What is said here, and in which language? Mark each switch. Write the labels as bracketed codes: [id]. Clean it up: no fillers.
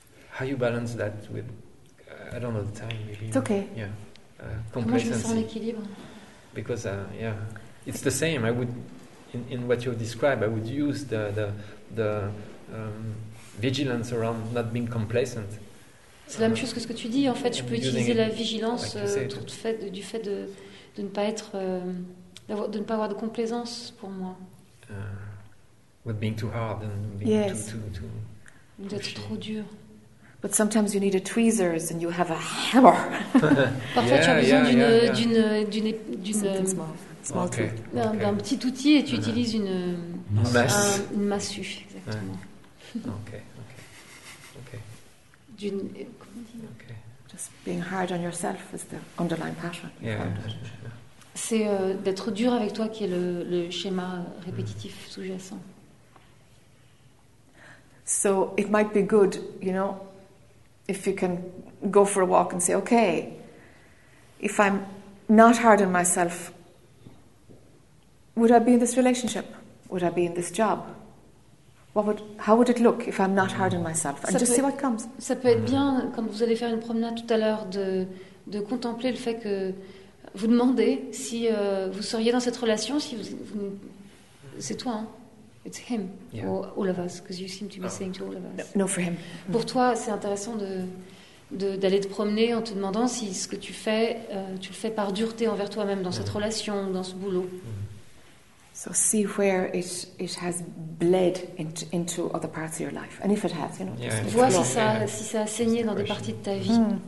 [en] how you balance that with, I don't know the time, maybe. It's okay. Yeah. [fr] Complacency. Comment je me sens l'équilibre? [en] Because, yeah, it's the same. I would, in what you describe, I would use the vigilance around not being complacent. [fr] C'est la même chose que ce que tu dis. En fait, je peux utiliser la vigilance du fait de ne pas être, de ne pas avoir de complaisance pour moi. [en] With being too hard and being too [fr] d'être trop dur. [en] But sometimes you need a tweezers and you have a hammer. [fr] Parfois, tu as besoin d'une [en] small tool. Okay. [fr] D'un petit outil et tu utilises une massue, exactement. [en] Okay. Just being hard on yourself is the underlying pattern. C'est d'être dur avec toi qui est le schéma répétitif sous-jacent. So it might be good, you know, if you can go for a walk and say, okay, if I'm not hard on myself, would I be in this relationship? Would I be in this job? How would it look if I'm not hard on myself? And just see what comes. [fr] Ça peut être bien, quand vous allez faire une promenade tout à l'heure, de contempler le fait que vous demandez si vous seriez dans cette relation, si vous c'est toi, hein? [en] It's him, or all of us, because you seem to be saying to all of us. No, for him. [fr] Pour toi, c'est intéressant d'aller te promener en te demandant si ce que tu fais, tu le fais par dureté envers toi-même dans cette relation, dans ce boulot. [en] So see where it has bled into other parts of your life, and if it has, you know. [fr] Vois si ça a saigné dans des parties de ta vie.